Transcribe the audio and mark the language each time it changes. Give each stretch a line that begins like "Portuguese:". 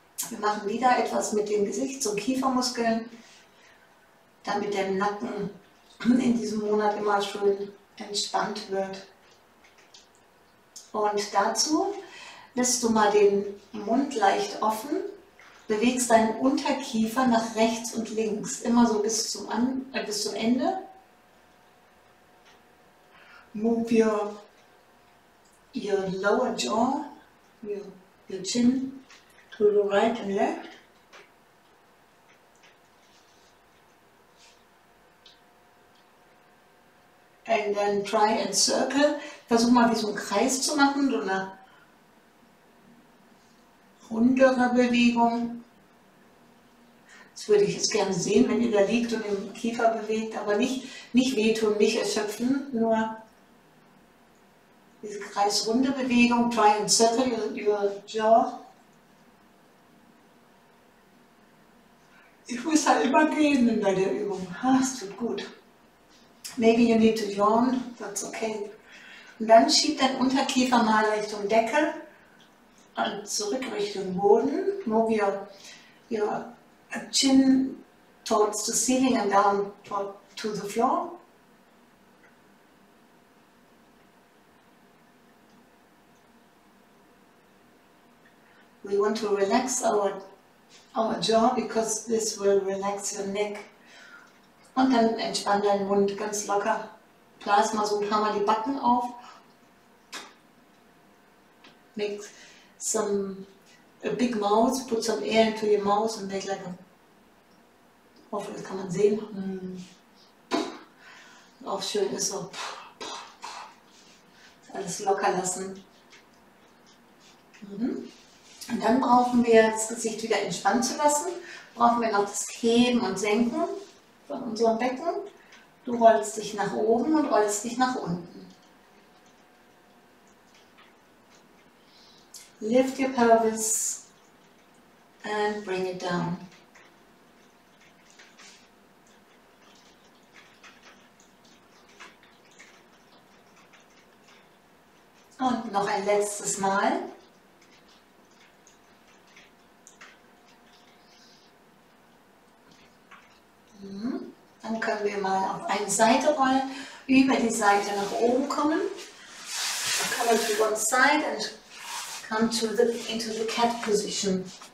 German: Wir machen wieder etwas mit dem Gesicht, so Kiefermuskeln, damit der Nacken in diesem Monat immer schön entspannt wird. Und dazu lässt du mal den Mund leicht offen, bewegst deinen Unterkiefer nach rechts und links, immer so bis zum Ende.
English: Move your lower jaw, your chin to the right and left. And then try and circle.
German: Versuch mal wie so einen Kreis zu machen, so eine rundere Bewegung. Das würde ich jetzt gerne sehen, wenn ihr da liegt und den Kiefer bewegt, aber nicht wehtun, nicht erschöpfen, nur diese kreisrunde Bewegung.
English: Try and circle your jaw.
German: Ich muss halt immer gehen in der Übung. Das tut gut.
English: Maybe you need to yawn, that's okay.
German: Und dann schieb dein Unterkiefer mal Richtung Decke und zurück Richtung Boden.
English: Move your chin towards the ceiling and down to the floor. We want to relax our jaw because this will relax your neck.
German: Und dann entspann deinen Mund ganz locker. Blas mal so ein paar Mal die Backen auf.
English: Make some a big mouth, put some air into your mouth and make like a.
German: Hoffentlich kann man sehen. Auch schön ist so. Alles locker lassen. Und dann brauchen wir, das Gesicht wieder entspannen zu lassen, brauchen wir noch das Heben und Senken von unserem Becken. Du rollst dich nach oben und rollst dich nach unten.
English: Lift your pelvis and bring it down.
German: Und noch ein letztes Mal. Dann können wir mal auf eine Seite rollen, über die Seite nach oben kommen.
English: Come to one side and come into the cat position.